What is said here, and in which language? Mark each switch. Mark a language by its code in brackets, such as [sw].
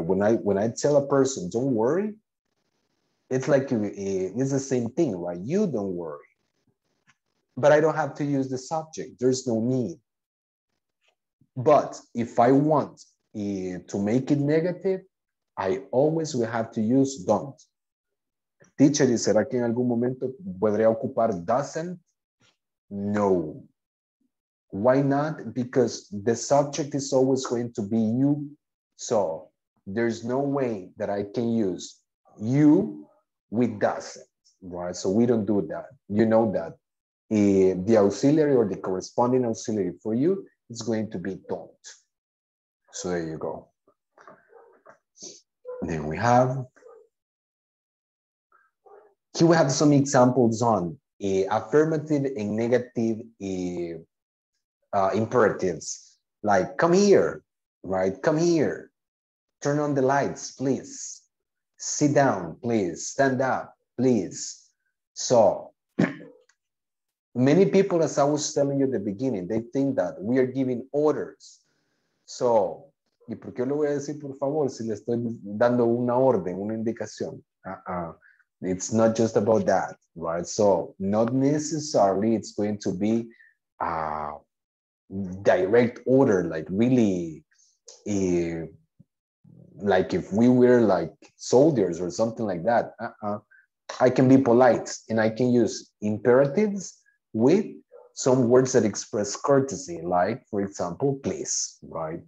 [en] When I tell a person, don't worry, it's like it's the same thing, right? You don't worry. But I don't have to use the subject. There's no need. But if I want to make it negative, I always will have to use don't. [es] Teacher, ¿será que en algún momento podría ocupar doesn't? [en] No. Why not? Because the subject is always going to be you. So there's no way that I can use you with doesn't, right? So we don't do that. You know that the auxiliary or the corresponding auxiliary for you is going to be don't. So there you go. Then we have, here we have some examples on affirmative and negative imperatives, like come here, right? Come here, turn on the lights, please. Sit down, please. Stand up, please. So many people, as I was telling you at the beginning, they think that we are giving orders. [es] So, ¿y por qué lo voy a decir por favor si le estoy dando una orden, una indicación? [en] It's not just about that, right? So not necessarily it's going to be a direct order, like really, like if we were like soldiers or something like that. I can be polite and I can use imperatives with some words that express courtesy, like for example, please, right?